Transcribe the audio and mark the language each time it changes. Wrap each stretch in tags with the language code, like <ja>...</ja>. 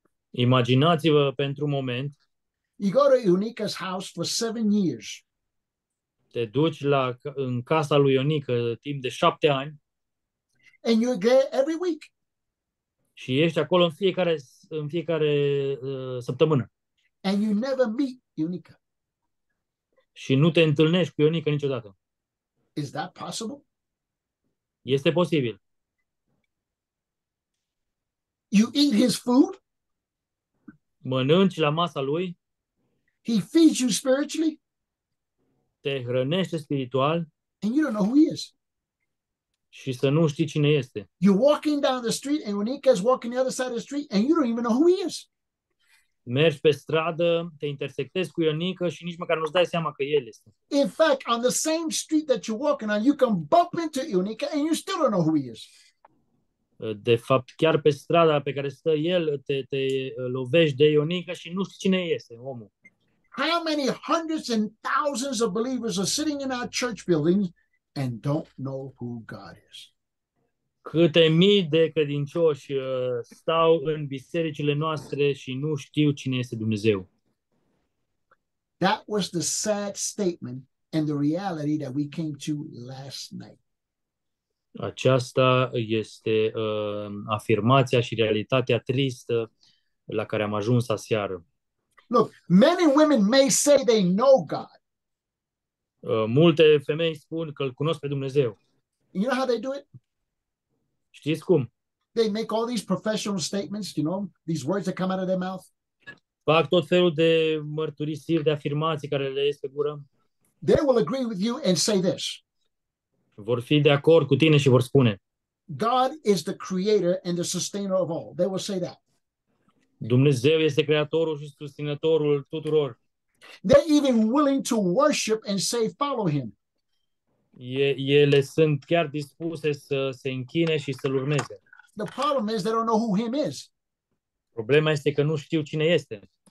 <ro>Imaginați-vă pentru un moment.</ro> <en>You go to Eunica's house for 7 years.</en> <ro>Te duci la în casa lui Ionică timp de 7 ani.</ro> <en>And you're there every week.</en> <ro>Și ești acolo în fiecare săptămână.</ro> <en>And you never meet Ionică.</en> <ro>Și nu te întâlnești cu Ionică niciodată.</ro> <en>Is that possible?</en> <ro>Este posibil.</ro> <en>You eat his food?</en> <ro>Mănânci la masa lui?</ro> <en>He feeds you spiritually?</en> <ro>Te hrănește spiritual.</ro> <en>And you don't know who he is.</en> <ro>Și să nu știi cine este.</ro> <en>You're walking down the street and Unica is walking the other side of the street and you don't even know who he is.</en> <ro>Mergi pe stradă, te intersectezi cu Ionica și nici măcar nu-ți dai seama că el este.</ro> <en>In fact, on the same street that you're walking on, you can bump into Unica and you still don't know who he is.</en> <ro>De fapt, chiar pe strada pe care stă el, te lovești de Ionica și nu știi cine este omul.</ro> <en>How many hundreds and thousands of believers are sitting in our church buildings and don't know who God is?</en> <ro>Câte mii de credincioși stau în bisericile noastre și nu știu cine este Dumnezeu.</ro> <en>That was the sad statement and the reality that we came to last night.</en> <ro>Aceasta este afirmația și realitatea tristă la care am ajuns aseară.</ro> <en>Look, men and women may say they know God.</en> <ro>Multe femei spun că îl cunosc pe Dumnezeu.</ro> <en>You know how they do it?</en> <ro>Știți cum?</ro> <en>They make all these professional statements, you know, these words that come out of their mouth.</en> <ro>Fac tot felul de mărturisiri, de afirmații care le ies pe gură.</ro> <en>They will agree with you and say this.</en> <ro>Vor fi de acord cu tine și vor spune.</ro> <en>God is the creator and the sustainer of all. They will say that.</en> <ro>Dumnezeu este creatorul și susținătorul tuturor.</ro> <en>They're even willing to worship and say, follow him.</en> <ro>Ele sunt chiar dispuse să se închine și să-l urmeze.</ro> <en>The problem is they don't know who him is.</en> <ro>Problema este că nu știu cine este.</ro>